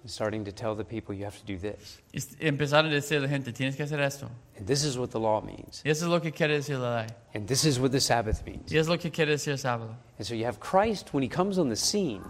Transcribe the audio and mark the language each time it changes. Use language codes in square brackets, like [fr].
[en] Starting to tell the people you have to do this. [es] Empezaron a decir a la gente, tienes que hacer esto. [en] And this is what the law means. [es] Y eso es lo que quiere decir la ley. [en] And this is what the Sabbath means. [es] Y eso es lo que quiere decir el sábado. [en] And so you have Christ when he comes on the scene.